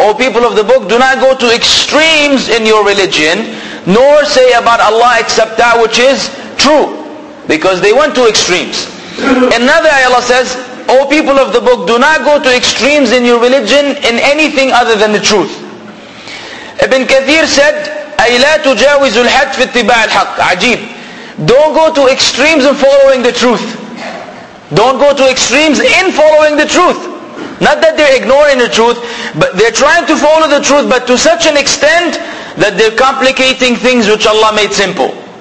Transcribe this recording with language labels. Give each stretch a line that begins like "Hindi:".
English: O people of the book, do not go to extremes in your religion, nor say about Allah except that which is true. Because they went to extremes. Another ayah Allah says, O people of the book, do not go to extremes in your religion in anything other than the truth. Ibn Kathir said,
Arabic: أَيْ لَا تُجَاوِزُ الْحَدْ فِي اتِّبَاعِ الْحَقِّ. Ajib.
English: Don't go to extremes in following the truth. Don't go to extremes in following the truth. Not that they're ignoring the truth, but they're trying to follow the truth, but to such an extent that they're complicating things which Allah made simple.